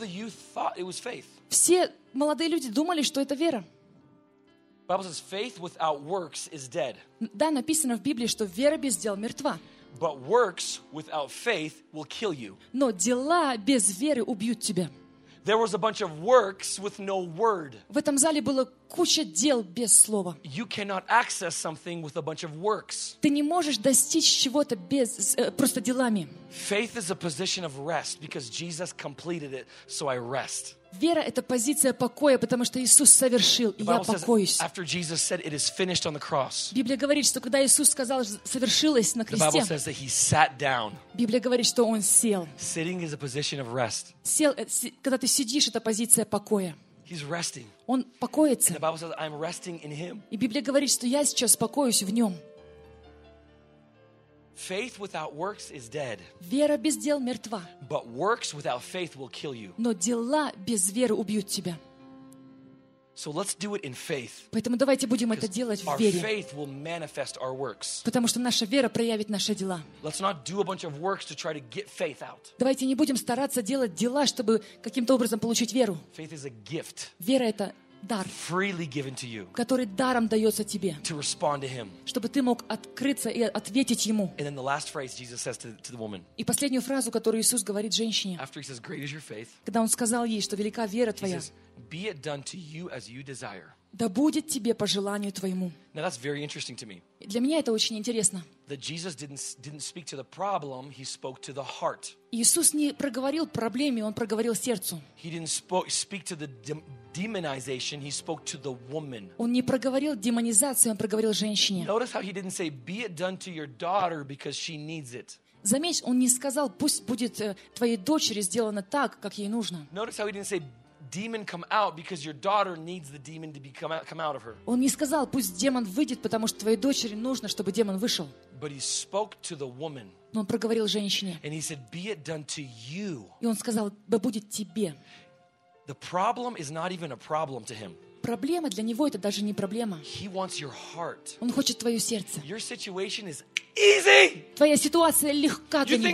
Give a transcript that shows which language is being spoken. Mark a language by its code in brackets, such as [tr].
[en] All the youth thought it was faith. [ru] Все молодые люди думали, что это вера. [en] Bible says faith without works is dead. [ru] Да, написано в Библии, что вера без дел мертва. [en] But works without faith will kill you. [ru] Но дела без веры убьют тебя. [en] There was a bunch of works with no word. [ru] В этом зале было куча дел без слова. [en] You cannot access something with a bunch of works. [ru] Ты не можешь достичь чего-то без просто делами. [en] Faith is a position of rest because Jesus completed it, so I rest. [ru] Вера — это позиция покоя, потому что Иисус совершил, и я покоюсь. [en] After Jesus said it is finished on the cross. [ru] Библия говорит, что когда Иисус сказал, совершилось на кресте. [en] The Bible says that he sat down. [ru] Библия говорит, что он сел. [en] Sitting is a position of rest. [ru] Сел, когда ты сидишь, это позиция покоя. [en] He's resting. [ru] Он покоится. [en] And the Bible says I'm resting in him. [ru] И Библия говорит, что я сейчас покоюсь в нем. [en] Faith without works is dead. [ru] Вера без дел мертва. [en] But works without faith will kill you. [ru] Но дела без веры убьют тебя. [en] So let's do it in faith. [ru] Поэтому давайте будем это делать в вере. [en] Because our faith will manifest our works. [ru] Потому что наша вера проявит наши дела. [en] Let's not do a bunch of works to try to get faith out. [ru] Давайте не будем стараться делать дела, чтобы каким-то образом получить веру. [en] Faith is a gift. [ru] Вера — это дар, [en] freely given to you, [ru] который даром дается тебе, [en] to respond to him. [ru] Чтобы ты мог открыться и ответить ему. [en] And then the last phrase Jesus says to the woman. [ru] И последнюю фразу, которую Иисус говорит женщине, [en] after he says, "Great is your faith," [ru] когда он сказал ей, что велика вера твоя, [en] he says, "Be it done to you as you desire." [ru] Да будет тебе по желанию твоему. [en] Now that's very interesting to me. [ru] Для меня это очень интересно. [en] That Jesus didn't speak to the problem, he spoke to the heart. [ru] Иисус не проговорил проблеме, он проговорил сердцу. [en] He didn't speak to the demonization, he spoke to the woman. [ru] Он не проговорил демонизацию, он проговорил женщине. [en] Notice how he didn't say, "Be it done to your daughter because she needs it." [ru] Заметь, он не сказал, пусть будет твоей дочери сделано так, как ей нужно. [en] Notice how he didn't say, "Demon, come out, because your daughter needs the demon to be come out of her." [ru] Он не сказал, пусть демон выйдет, потому что твоей дочери нужно, чтобы демон вышел. [en] But he spoke to the woman. [ru] Но он проговорил женщине. [en] And he said, "Be it done to you." [ru] И он сказал, да будет тебе. [en] The problem is not even a problem to him. [ru] Проблема для него это даже не проблема. [en] He wants your heart. [ru] Он хочет твое сердце. [en] Your situation is easy. [ru] Твоя ситуация легка для него.